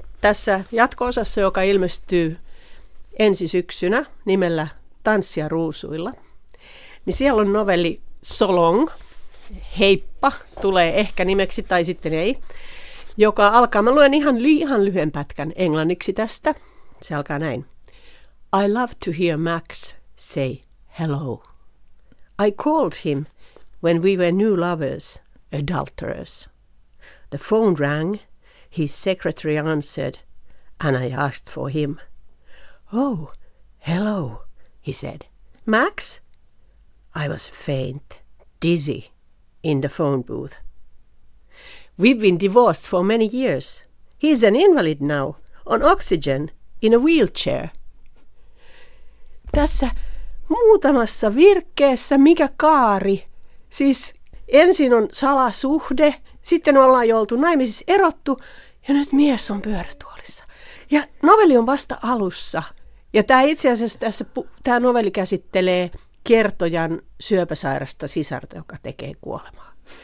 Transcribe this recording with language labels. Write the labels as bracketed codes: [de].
[fi] Tässä jatko-osassa, joka ilmestyy ensi syksynä nimellä Tanssia ruusuilla, niin siellä on novelli So Long, heippa, tulee ehkä nimeksi tai sitten ei, joka alkaa, mä luen ihan lyhyen pätkän englanniksi tästä, se alkaa näin. [en] I love to hear Max say hello. I called him when we were new lovers, adulterers. The phone rang. His secretary answered, and I asked for him. Oh, hello, he said. Max? I was faint, dizzy, in the phone booth. We've been divorced for many years. He's an invalid now, on oxygen, in a wheelchair. [fi] Tässä muutamassa virkkeessä, mikä kaari? Siis ensin on salasuhde, sitten ollaan jo oltu naimisissa erottu, ja nyt mies on pyörätuolissa. Ja novelli on vasta alussa. Ja tämä itse asiassa tässä, tämä novelli käsittelee kertojan syöpäsairasta sisarta, joka tekee kuolemaa.